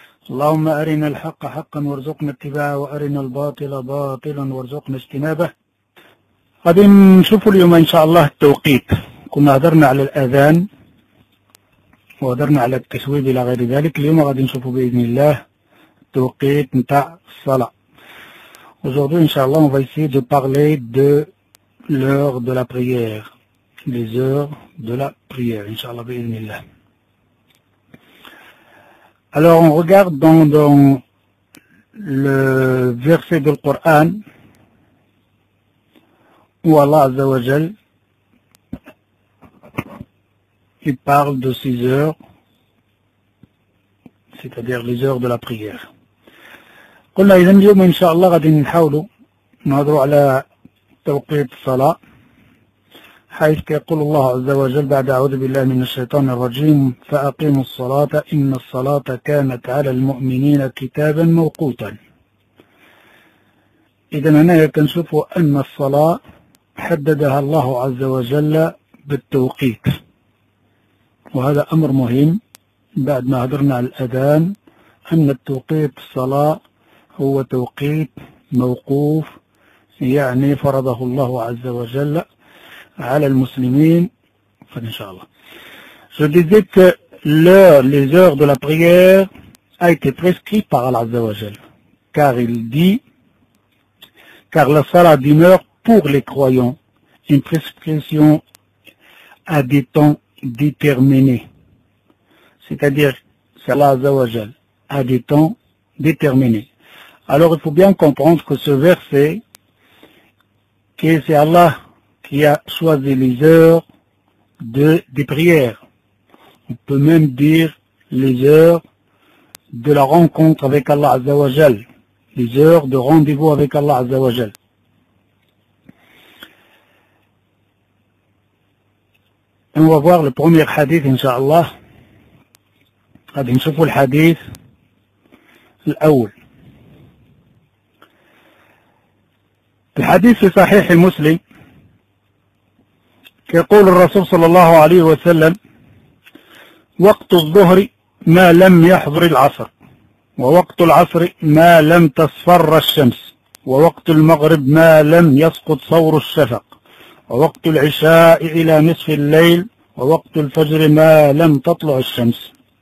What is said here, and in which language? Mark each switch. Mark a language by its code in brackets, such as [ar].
[ar] اللهم أرنا الحق حقا وارزقنا اتباعه، وأرنا الباطل باطلا وارزقنا اجتنابه. غادي نشوفوا اليوم إن شاء الله التوقيت. كنا هضرنا على الأذان وهضرنا على التشويب إلى غير ذلك. اليوم غادي نشوفوا بإذن الله التوقيت نتاع الصلاة. [fr] aujourd'hui inshallah on va essayer de parler de l'heure de la prière, les heures de la prière inshallah بإذن الله. alors on regarde dans le verset du Coran où Allah Azza wa Jal qui parle de 6 heures, c'est-à-dire les heures de la prière. [ar] قلنا إذا اليوم إن شاء الله غادي نحاولوا نهضروا على توقيت الصلاة، حيث يقول الله عز وجل بعد أعوذ بالله من الشيطان الرجيم: فأقيموا الصلاة إن الصلاة كانت على المؤمنين كتابا موقوتا. إذا هنا كنشوفوا أن الصلاة حددها الله عز وجل بالتوقيت، وهذا أمر مهم بعد ما هضرنا على الأذان، أن التوقيت الصلاة هو توقيت موقوف، يعني فرضه الله عز وجل على المسلمين. فإن شاء الله. [fr] Je disais que l'heure, les heures de la prière a été prescrite par Allah عز وجل. Car il dit, car la salat demeure pour les croyants une prescription à des temps déterminés. C'est-à-dire, Allah عز وجل a des temps déterminés. Alors il faut bien comprendre que ce verset, que c'est Allah qui a choisi les heures des prières. On peut même dire les heures de la rencontre avec Allah Azza wa Jal, les heures de rendez-vous avec Allah Azza wa Jal. On va voir le premier hadith, Inch'Allah. On va voir le hadith, l'aoul. [ar] الحديث في صحيح مسلم يقول الرسول صلى الله عليه وسلم: وقت الظهر ما لم يحضر العصر، ووقت العصر ما لم تصفر الشمس، ووقت المغرب ما لم يسقط ثور الشفق، ووقت العشاء إلى نصف الليل، ووقت الفجر ما لم تطلع الشمس.